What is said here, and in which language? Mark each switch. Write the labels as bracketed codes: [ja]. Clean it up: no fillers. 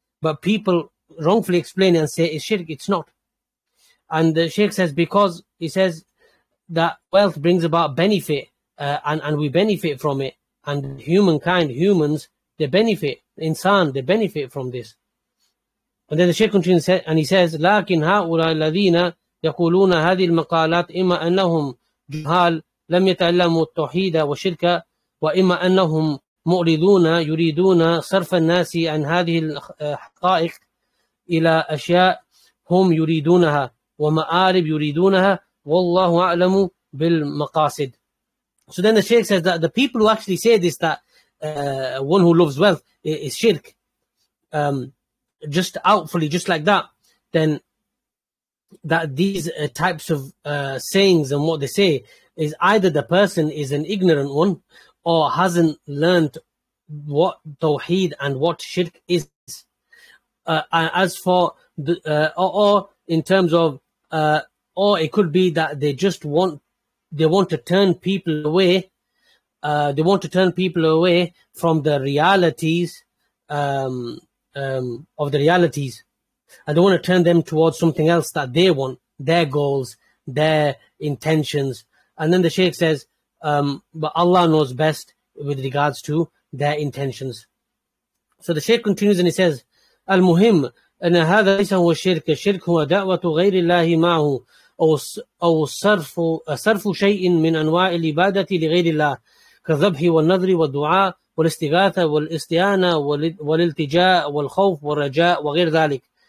[en] But people wrongfully explain and say it's shirk. It's not. And the Shaykh says, because he says that wealth brings about benefit, and we benefit from it. And humankind, humans, they benefit. Insan, they benefit from this. And then the Shaykh continues, and he says, [ar] لَكِنْ هَؤُلَا الَّذِينَ يَقُولُونَ هَذِي الْمَقَالَاتِ إِمَّا أَنَّهُمْ جُهَالْ لَمْ يَتَعْلَمُوا التَّوْحِيدَ وَشِرْكَ وَإِمَّا أَنَّهُمْ مُؤْرِضُونَ يُرِيدُونَ صَرْفَ النَّاسِ عَنْ هَذِهِ الْحَقَائِقِ إِلَى أَشْيَاءَ هُمْ يُرِيدُونَهَا وَمَآرِبْ يُرِيدُونَهَا وَاللَّهُ أَعْلَمُ بِالْمَقَاصِدِ. [en] So then the Shaykh says that the people who actually say this, that one who loves wealth is shirk, just outfully, just like that, then that these types of sayings and what they say is either the person is an ignorant one or hasn't learned what Tawheed and what shirk is. As for the or in terms of or it could be that they just want, they want to turn people away, they want to turn people away from the realities, of the realities. I don't want to turn them towards something else that they want, their goals, their intentions. And then the Shaykh says, but Allah knows best with regards to their intentions. So the Shaykh continues and he says, Al-Muhim, [ar] أن هذا ليس هو الشرك. الشرك هو دعوة غير الله معه أو صرف شيء من أنواع العبادة لغير الله كالذبح والنذر والدعاء والاستغاثة والاستعانة والالتجاء والخوف والرجاء وغير ذلك.